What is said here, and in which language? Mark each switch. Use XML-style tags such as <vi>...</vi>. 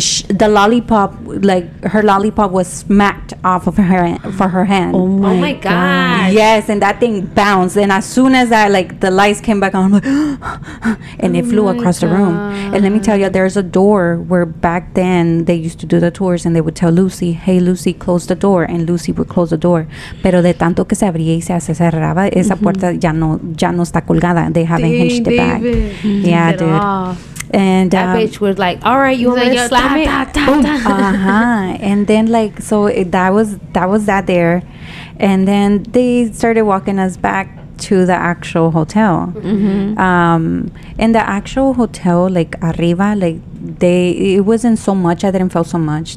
<en>The lollipop, like, her lollipop was smacked off of her hand. Oh, my God. Yes, and that thing bounced. And as soon as the lights came back on, I'm like, and it flew across the room. And let me tell you, there's a door where back then they used to do the tours, and they would tell Lucy, hey, Lucy, close the door. And Lucy would close the door.</en> <es>Pero de tanto que se abría y se cerraba, esa puerta ya no está colgada.</es> <en>They haven't hinged it back. Yeah, dude. And that bitch was like, all right, you want me to slap it? And then, like, so that was that there. And then they started walking us back to the actual hotel. Mm-hmm. And the actual hotel, like, arriba, like, it wasn't so much. I didn't feel so much.</en>